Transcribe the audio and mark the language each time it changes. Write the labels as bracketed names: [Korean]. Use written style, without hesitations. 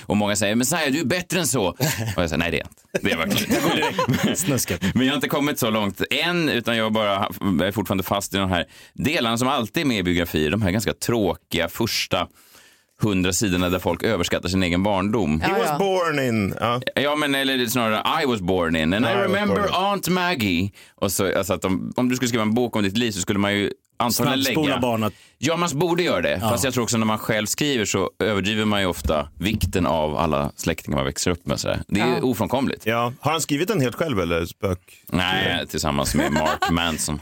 [Swedish] Och många säger, men Saja, du är bättre än så. Och jag säger, nej, det är inte. Det är verkligen inte. Men jag har inte kommit så långt än, utan jag bara är fortfarande fast i de här delarna som alltid är med i biografier. De här ganska tråkiga första 100 sidorna där folk överskattar sin egen barndom. [English] He was born in. [Swedish] Ja, men eller snarare [English] I was born in and I remember Aunt Maggie. [Swedish] Och så alltså att om du skulle skriva en bok om ditt liv så skulle man ju antagligen lägga barnet. Ja, man borde göra det. Ja. Fast jag tror också när man själv skriver så överdriver man ju ofta vikten av alla släktingar man växer upp med. Så det är ju ofrånkomligt. Ja. Har han skrivit den helt själv eller spök? Nej, tillsammans med Mark Manson.